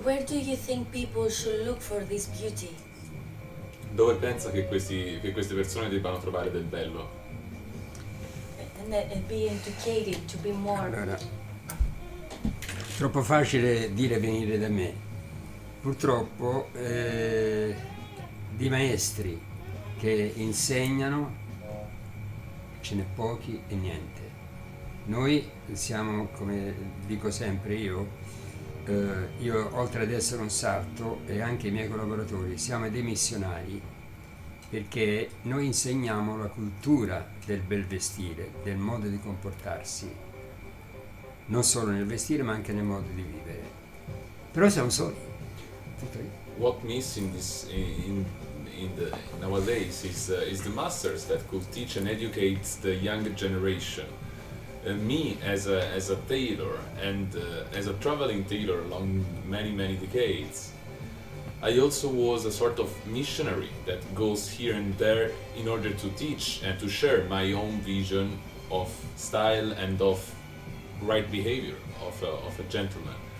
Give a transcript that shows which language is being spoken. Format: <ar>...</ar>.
<en>Where do you think people should look for this beauty?</en> <it>Dove pensa che queste persone debbano trovare del bello?</it> <en>And be educated to be more.</en> <it>Allora, troppo facile dire venire da me. Purtroppo di maestri che insegnano ce n'è pochi e niente. Noi siamo, come dico sempre io oltre ad essere un sarto e anche i miei collaboratori, siamo dei missionari, perché noi insegniamo la cultura del bel vestire, del modo di comportarsi, non solo nel vestire ma anche nel modo di vivere. Però siamo soli.</it> <en>What missing in nowadays is the masters that could teach and educate the younger generation. Me as a tailor and as a traveling tailor along many decades, I also was a sort of missionary that goes here and there in order to teach and to share my own vision of style and of right behavior of a gentleman.</en>